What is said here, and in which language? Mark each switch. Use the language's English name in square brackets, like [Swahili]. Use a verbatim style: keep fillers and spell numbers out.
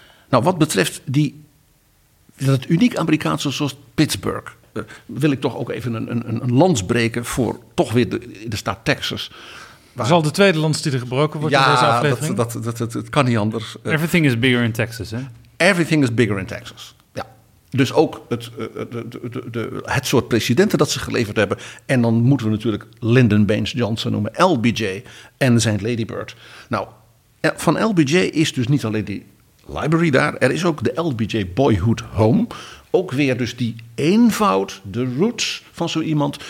[Dutch] Nou, wat betreft die, dat uniek Amerikaanse zoals Pittsburgh, uh, wil ik toch ook even een, een, een lans breken voor toch weer de, de staat Texas. Waar... Zal de tweede lans die er gebroken wordt ja, in deze aflevering? Ja, dat, dat, dat, dat, dat kan niet anders. [English] Uh, Everything is bigger in Texas, hè? Everything is bigger in Texas, ja. [Dutch] Dus ook het, uh, de, de, de, het soort presidenten dat ze geleverd hebben. En dan moeten we natuurlijk Lyndon Baines Johnson noemen, L B J en zijn Lady Bird. Nou, van L B J is dus niet alleen die library daar. Er is ook de L B J Boyhood Home. Ook weer dus die eenvoud, de roots van zo iemand.